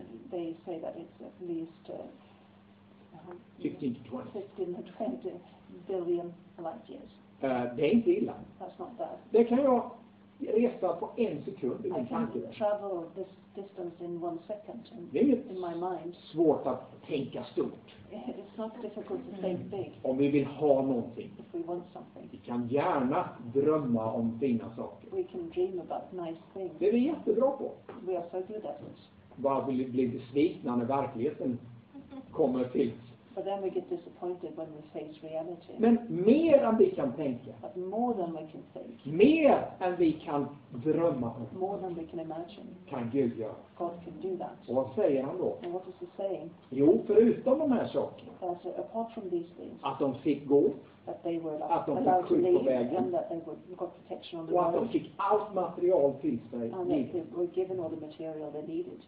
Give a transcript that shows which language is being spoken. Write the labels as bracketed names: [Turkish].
[English] They say that it's at least 15-20 billion light years. [Swedish] Det är inte illa. [English] That's not bad. [Swedish] Det kan jag resa på en sekund. [English] I can travel this distance in one second in my mind. [Swedish] Det är svårt att tänka stort. [English] It's not difficult to think big. [Swedish] Om vi vill ha någonting. [English] If we want something. [Swedish] Vi kan gärna drömma om fina saker. [English] We can dream about nice things. [Swedish] Det är vi jättebra på. [English] We are so good at it. [Swedish] Bara vill vi bli besvikna när verkligheten kommer till. [English] But then we get disappointed when we face reality. [Swedish] Men mer än vi kan tänka. [English] But more than we can think. [Swedish] Mer än vi kan drömma om. [English] More than we can imagine. [Swedish] Kan Gud göra. [English] God can do that. [Swedish] Och vad säger han då? [English] And what is he saying? [Swedish] Jo, förutom de här sakerna. [English] That apart from these things. [Swedish] Att de fick gå. [English] That they were [Swedish] att de fick skydd på vägen. [English] And that they got protection on the [Swedish] och [English] road. [Swedish] Att de fick allt material till sig. [English] And that they were given all the material they needed.